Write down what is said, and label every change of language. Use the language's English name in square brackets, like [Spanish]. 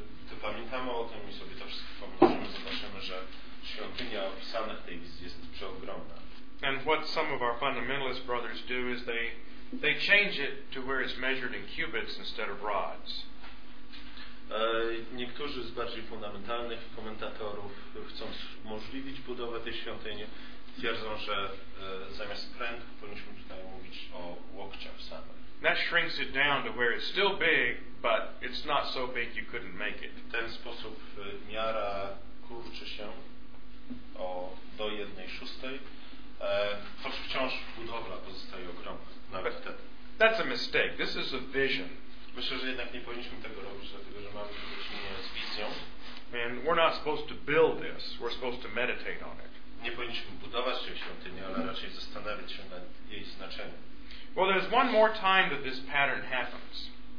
[Polish] To pamiętamy o tym i sobie to wszystko pomnożymy, zobaczymy, że świątynia opisana w tej wizji jest przeogromna. [English] And what some of our fundamentalist brothers do is they change it to where it's measured in cubits instead of rods. [Polish] Niektórzy z bardziej fundamentalnych komentatorów chcą umożliwić budowę tej świątyni, twierdzą, że zamiast prętów powinniśmy tutaj mówić o łokciach samych. [English] That shrinks it down to where it's still big, but it's not so big you couldn't make it. [Polish] W ten sposób miara kurczy się o do 1/6. Choć wciąż budowla pozostaje ogromna, nawet wtedy. [English] That's a mistake. This is a vision. [Polish] Myślę, że jednak nie powinniśmy tego robić, dlatego że mamy do czynienia z wizją. [English] And we're not supposed to build this. We're supposed to meditate on it. [Polish] Nie powinniśmy budować tej świątyni, ale raczej zastanawiać się nad jej znaczeniem. [English] Well, there's one more time that this pattern happens.